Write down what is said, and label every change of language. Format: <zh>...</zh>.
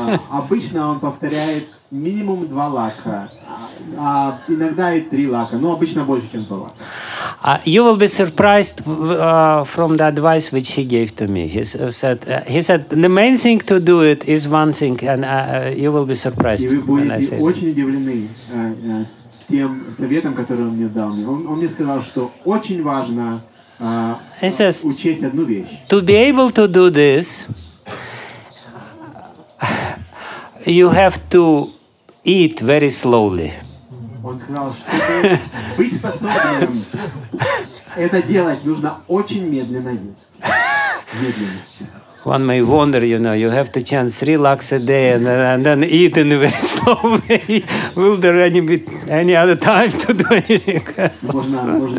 <ru>Обычно он повторяет минимум 2 лакха, иногда и 3 лакха, но обычно больше, чем 2 лакха.</ru> <en>You will be surprised from the advice which he gave to me. He said the main thing to do it is one thing, and you will be surprised when I say</en> <ru>очень удивлены тем советом, который он мне дал. Он мне сказал, что очень важно учесть одну вещь.</ru> <en>To be able to do this, you have to eat very slowly.</en> <ru>Он сказал, чтобы быть способным это делать, нужно очень медленно есть. Медленно.</ru> <en>One may wonder, you know, you have to chant 3 lakhs a day and then eat in a very slow way. Will there any other time to do anything else?</en>